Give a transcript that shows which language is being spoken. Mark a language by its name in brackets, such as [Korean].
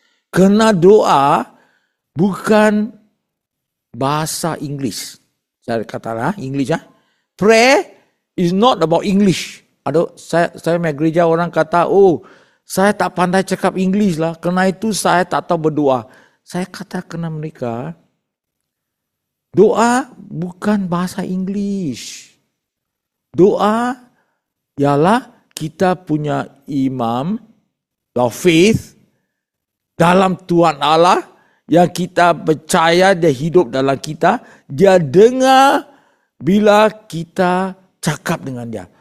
[Malay] Karena doa bukan bahasa Inggris. Saya katalah English ya. [English] Prayer is not about English. [Malay] Aduh, saya pergi gereja orang kata, oh saya tak pandai cakap English lah. Karena itu saya tak tahu berdoa. Saya kata kena mereka, doa bukan bahasa English. Doa ialah kita punya imam, law faith, dalam Tuhan Allah yang kita percaya dia hidup dalam kita, dia dengar bila kita cakap dengan dia.